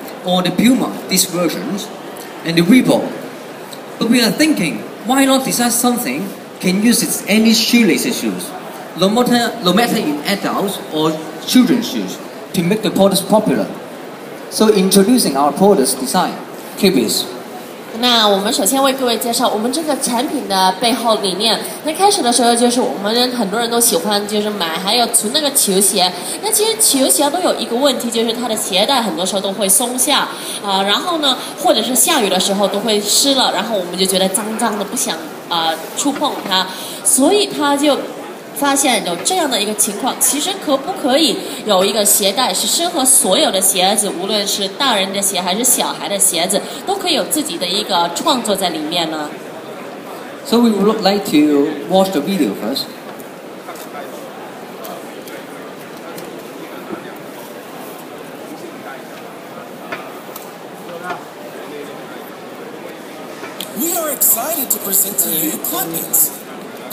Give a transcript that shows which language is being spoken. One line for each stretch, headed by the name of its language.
English: Or the Puma, these versions, and the Reebok. But we are thinking, why not design something can use its any shoelace shoes, no matter in adults or children's shoes, to make the products popular. So introducing our products design, Clipit.
Chinese: 那我们首先为各位介绍我们这个产品的背后理念。那开始的时候就是我们很多人都喜欢就是买还有存那个球鞋，那其实球鞋都有一个问题，就是它的鞋带很多时候都会松下啊，然后呢或者是下雨的时候都会湿了，然后我们就觉得脏脏的不想触碰它，所以它就发现有这样的一个情况，其实可不可以有一个鞋带是适合所有的鞋子，无论是大人的鞋还是小孩的鞋子，都可以有自己的一个创作在里面呢？
English: So we would like to watch the video first. We are excited to present to you Clipit.